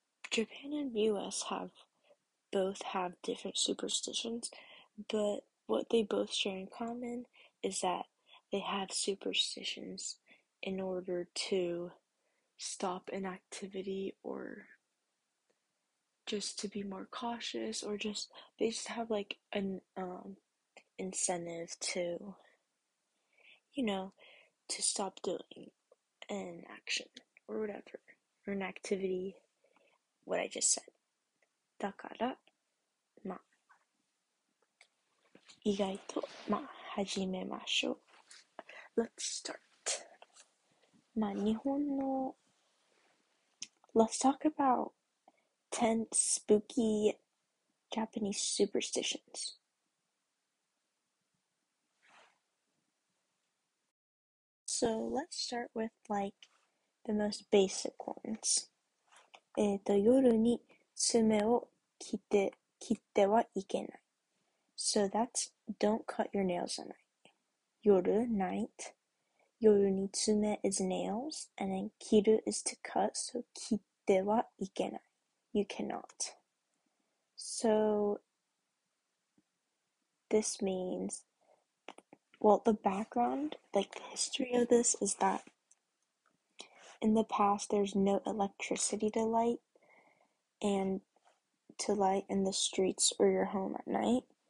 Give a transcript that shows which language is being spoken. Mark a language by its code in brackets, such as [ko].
[en] Japan and US both have different superstitions, but what they both share in common is that they have superstitions in order to stop an activity or just to be more cautious, or just they just have like an incentive to stop doing an action or whatever, or an activity. What I just said. [ja] だから、意外と、始めましょう。 [en] Let's start. [ja] 日本の、 [en] Let's talk about 10 spooky Japanese superstitions. So let's start with the most basic ones. [ja] 夜に爪を切ってはいけない。 [en] So that's don't cut your nails at night. 夜 night. 夜に爪 is nails, and then 切る is to cut. [ja] So 切ってはいけない。 [en] You cannot. So this means, well, the background, the history of this is that in the past, there's no electricity to light and to light in the streets or your home at night.